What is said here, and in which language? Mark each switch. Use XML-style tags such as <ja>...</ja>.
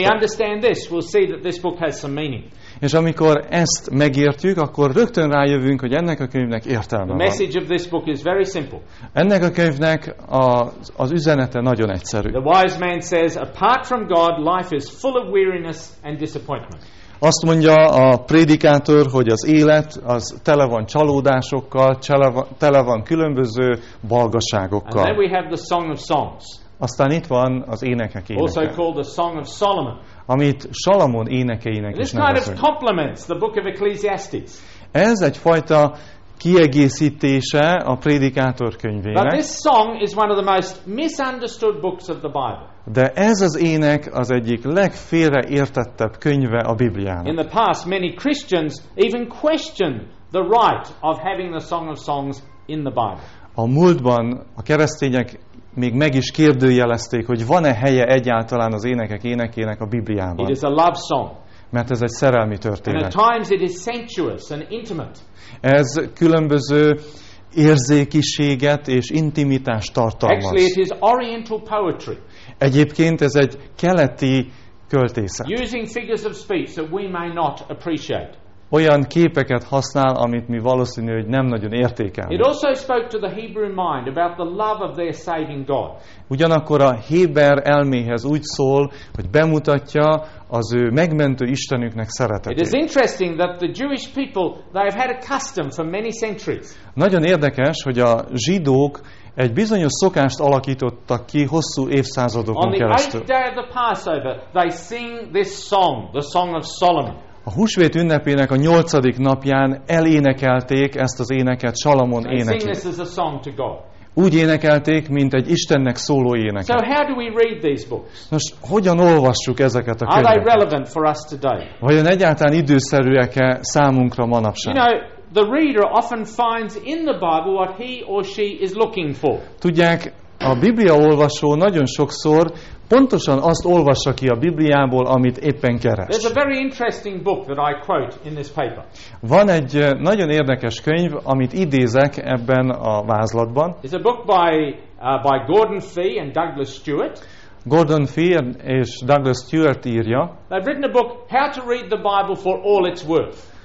<en>When we understand this, we'll see that this book has some meaning.</en> <hu>És amikor ezt megértjük, akkor rögtön rájövünk, hogy ennek a könyvnek értelme van.</hu> <en>The message of this book is very simple.</en> <hu>Ennek a könyvnek az üzenete nagyon egyszerű.</hu> <en>The wise man says, apart from God, life is full of weariness and disappointment.</en> <hu>Azt mondja a prédikátor, hogy az élet az tele van csalódásokkal, tele van különböző balgaságokkal.</hu> <en>And then we have the Song of Songs.</en> <hu>Aztán itt van az énekek éneke.</hu> <en>Also called the Song of Solomon.</en> <hu>Amit Salamon énekeinek is nevezünk.</hu> <en>This kind of complements the book of Ecclesiastes.</en> <hu>Ez egyfajta kiegészítése a prédikátor könyvének.</hu> <en>But this song is one of the most misunderstood books of the Bible.</en> <hu>De ez az ének az egyik legfélreértettebb könyve a Bibliának.</hu> <en>In the past, many Christians even questioned the right of having the Song of Songs in the Bible.</en> <hu>A múltban a keresztények még meg is kérdőjelezték, hogy van-e helye egyáltalán az énekek énekének a Bibliában.</hu> <en>It is a love song.</en> <hu>Mert ez egy szerelmi történet.</hu> <en>And at times it is sensuous and intimate.</en> <hu>Ez különböző érzékiséget és intimitást tartalmaz.</hu> <en>Actually, it is oriental poetry.</en> <hu>Egyébként ez egy keleti költészet.</hu> <en>Using figures of speech that we may not appreciate.</en> <hu>Olyan képeket használ, amit mi valószínű, hogy nem nagyon értékelünk.</hu> <en>It also spoke to the Hebrew mind about the love of their saving God.</en> <hu>Ugyanakkor a héber elméhez úgy szól, hogy bemutatja az ő megmentő Istenüknek szeretetét.</hu> <en>It is interesting that the Jewish people, they have had a custom for many centuries.</en> <hu>Nagyon érdekes, hogy a zsidók egy bizonyos szokást alakítottak ki hosszú évszázadokon keresztül.</hu> <en>On the 8th day of the Passover, they sing this song, the Song of Solomon.</en> <hu>A húsvét ünnepének a 8. napján elénekelték ezt az éneket, Salamon énekét. Úgy énekelték, mint egy Istennek szóló éneket.</hu> <en>So how do we read these books?</en> <hu>Nos, hogyan olvassuk ezeket a könyveket?</hu> <en>Are they relevant for us today?</en> <hu>Vajon egyáltalán időszerűek-e számunkra manapság?</hu> <en>You know, the reader often finds in the Bible what he or she is looking for.</en> <hu>Tudják, a Biblia olvasó nagyon sokszor pontosan azt olvassa ki a Bibliából, amit éppen keres.</hu> <en>There's a very interesting book that I quote in this paper.</en> <hu>Van egy nagyon érdekes könyv, amit idézek ebben a vázlatban.</hu> <en>It's a book by Gordon Fee and Douglas Stewart.</en> <hu>Gordon Fee és Douglas Stewart írja.</hu> <en>They've written a book, How to Read the Bible for All It's Worth.</en>